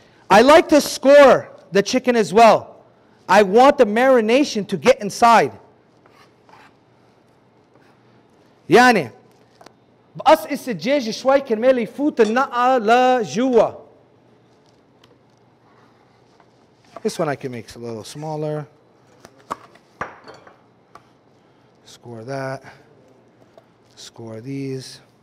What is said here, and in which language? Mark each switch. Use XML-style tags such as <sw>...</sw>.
<en>I like to score the chicken as well. I want the marination to get inside.</en> <ar>Yani, بقص السجاج شوي كرمال يفوت النقع لجوا.</ar> <en>This one I can make a little smaller. Score that. Score these.</en>